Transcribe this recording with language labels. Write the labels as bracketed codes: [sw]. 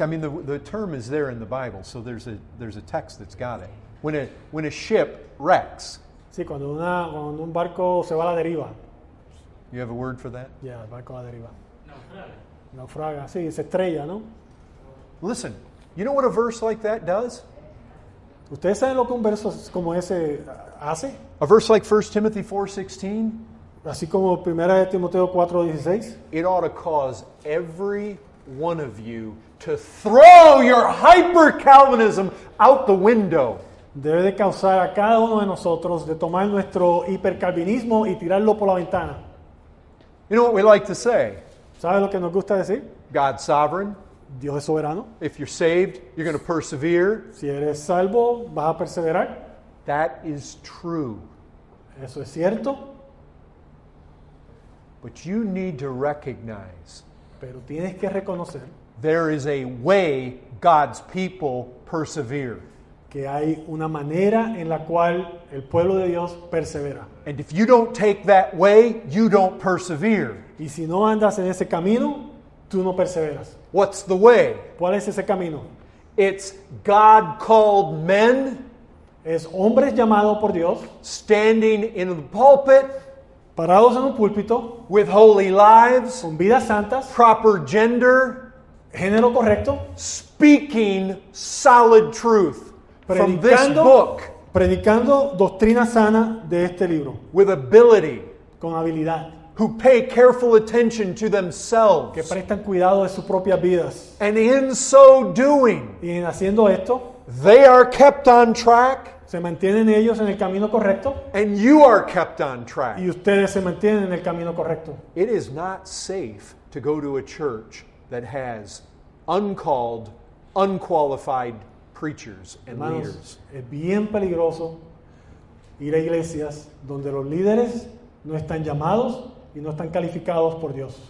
[en] I mean, the term is there in the Bible, so there's a text that's got it. When a ship wrecks. [es] Sí, cuando un barco se va a la deriva. [en] You have a word for that? [es] Yeah, barco a la deriva. Naufraga. Sí, se estrella, ¿no? [en] Listen, you know what a verse like that does? [es] ¿Ustedes saben lo que un verso como ese hace? [en] A verse like 1 Timothy 4:16. [es] Así como 1 Timoteo 4:16. [en] It ought to cause every one of you to throw your hyper-Calvinism out the window. [es] Debe de causar a cada uno de nosotros de tomar nuestro hipercalvinismo y tirarlo por la ventana. [en] You know what we like to say? [es] ¿Sabe lo que nos gusta decir? [en] God's sovereign. [es] Dios es soberano. [en] If you're saved, you're going to persevere. [es] Si eres salvo, vas a perseverar. [en] That is true. [es] Eso es cierto. [en] But you need to recognize. [es] Pero tienes que reconocer. [en] There is a way God's people persevere. [es] Que hay una manera en la cual el pueblo de Dios persevera. [en] And if you don't take that way, you don't persevere. [es] Y si no andas en ese camino, tú no perseveras. [en] What's the way? [es] ¿Cuál es ese camino? [en] It's God called men. [es] Es hombres llamados por Dios. [en] Standing in the pulpit. [es] Parados en un púlpito. [en] With holy lives. [es] Con vidas santas. [en] Proper gender. [es] Género correcto. [en] Speaking solid truth. From this book. [es] Predicando doctrina sana de este libro. [en] With ability. [es] Con habilidad. [en] Who pay careful attention to themselves. [es] Que prestan cuidado de sus propias vidas. [en] And in so doing. [es] Y en haciendo esto. [en] They are kept on track. [es] Se mantienen ellos en el camino correcto. [en] And you are kept on track. [es] Y ustedes se mantienen en el camino correcto. [en] It is not safe to go to a church that has uncalled, unqualified preachers and [es] Hermanos, [en] leaders. [es] Es bien peligroso ir a iglesias donde los líderes no están llamados y no están calificados por Dios.